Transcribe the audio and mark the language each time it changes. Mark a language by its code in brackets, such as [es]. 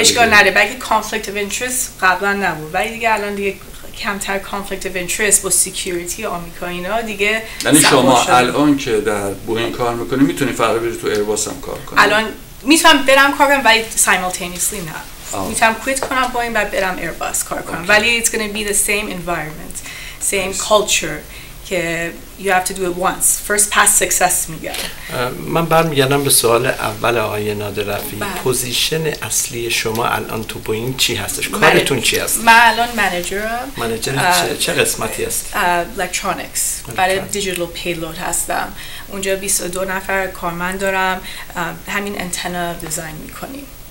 [fa] اشکال نداره، بلکه کانفلیکت اف اینترست قبلا نبود، ولی دیگه الان دیگه کمتر کانفلیکت اف اینترست با سکیوریتی آمریکا اینا دیگه. یعنی شما الان که در بوئینگ کار میکنی میتونی فردا بری تو ایرباس هم کار کنی؟ الان میتونم برم کار کنم ولی سایمالتینیسلی نه. میتونم کویت کنم بوئینگ و برم ایرباس کار کنم. [en] Okay. [fa] ولی [en] it's gonna be the same environment, same nice. culture. [fa] که [en] you have to do it once, first pass success [fa] میگه. من برمیگردم به سوال اول آقای نادررفی، پوزیشن اصلی شما الان تو بوئینگ چی هستش؟ کارتون چی هست؟ من الان منیجرم. منیجر چه قسمتی هست؟ الکترونیکس برای دیجیتال پیلود هستم. اونجا 22 نفر کارمند دارم، همین انتنا دیزاین میکنیم.